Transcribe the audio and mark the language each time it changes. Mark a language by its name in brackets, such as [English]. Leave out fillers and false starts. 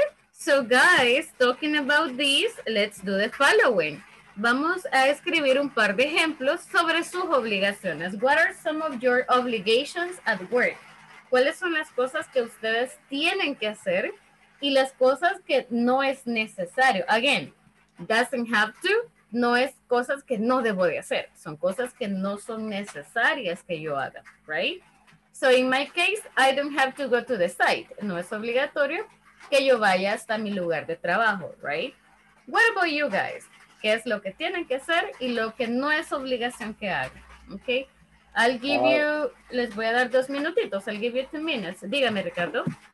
[English] So guys, talking about this, let's do the following. [Spanish] Vamos a escribir un par de ejemplos sobre sus obligaciones. [English] What are some of your obligations at work? [Spanish] ¿Cuáles son las cosas que ustedes tienen que hacer? Y las cosas que no es necesario. Again, doesn't have to, no es cosas que no debo de hacer. Son cosas que no son necesarias que yo haga, right? [English] So in my case, I don't have to go to the site. [Spanish] No es obligatorio que yo vaya hasta mi lugar de trabajo, right? [English] What about you guys? [Spanish] ¿Qué es lo que tienen que hacer y lo que no es obligación que hagan? [English] Okay. I'll give you, [Spanish] les voy a dar 2 minutitos. [English] I'll give you 2 minutes. [Spanish] Dígame, [English] Ricardo.